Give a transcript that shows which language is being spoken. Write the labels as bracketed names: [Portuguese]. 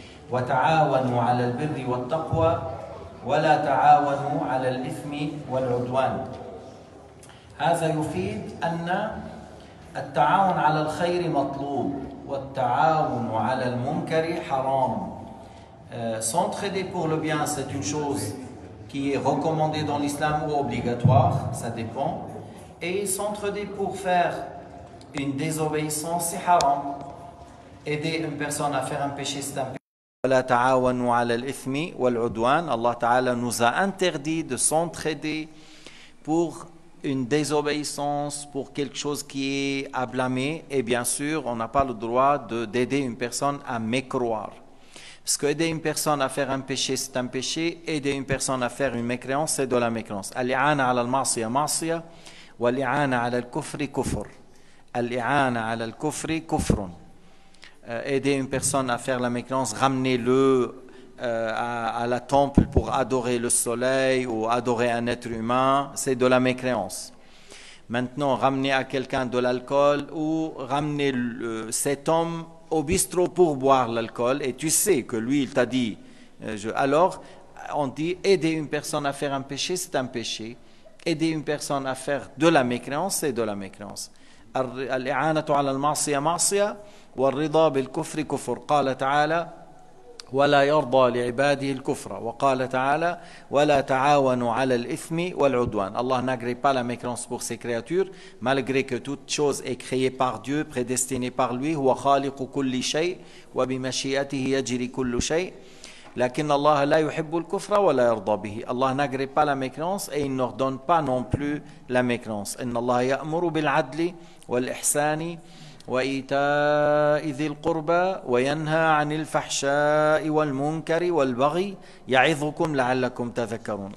[Arabic] وتعاونوا على البر والتقوى ولا تعاونوا على الإثم والعدوان. هذا يفيد أن التعاون على الخير مطلوب والتعاون على المنكر حرام. [French] S'entraider pour le bien, c'est une chose qui est recommandée dans l'islam ou obligatoire, ça dépend. Et s'entraider pour faire une désobéissance, c'est haram. Aider une personne à faire un péché, c'est un péché. [Arabic] ولا تعاونوا على الإثم والعدوان. [French] الله تعالى nous a interdit de s'entraider pour une désobéissance, pour quelque chose qui est à blâmer. Et bien sûr, on n'a pas le droit d'aider une personne à mécroire. Parce qu'aider une personne à faire un péché, c'est un péché. Aider une personne à faire une mécréance, c'est de la mécréance. [Arabic] الإعانة على المعصية معصية والإعانة على الكفر كفر. الإعانة على الكفر كفر. [French] Aider une personne à faire la mécréance, ramenez-le à la temple pour adorer le soleil ou adorer un être humain, c'est de la mécréance. Maintenant, ramener à quelqu'un de l'alcool ou ramener cet homme au bistrot pour boire l'alcool et tu sais que lui, il t'a dit, alors on dit aider une personne à faire un péché, c'est un péché. Aider une personne à faire de la mécréance, c'est de la mécréance. [Arabic] الإعانة على المعصية معصية والرضا بالكفر كفر. قال تعالى ولا يرضى لعباده الكفر. وقال تعالى ولا تعاونوا على الإثم والعدوان. [French] الله n'agrée pas la mécréance pour ses créatures, malgré que toute chose est créée par Dieu, prédestinée par lui. [Arabic] هو خالق كل شيء وبمشيئته يجري كل شيء. لكن الله لا يحب الكفر ولا يرضى به. [French] الله n'agrée pas la mécréance et il n'ordonne pas non plus la mécréance. [Arabic] إن الله يأمر بالعدل والإحسان وإيتاء ذي القربى وينهى عن الفحشاء والمنكر والبغي يعظكم لعلكم تذكرون.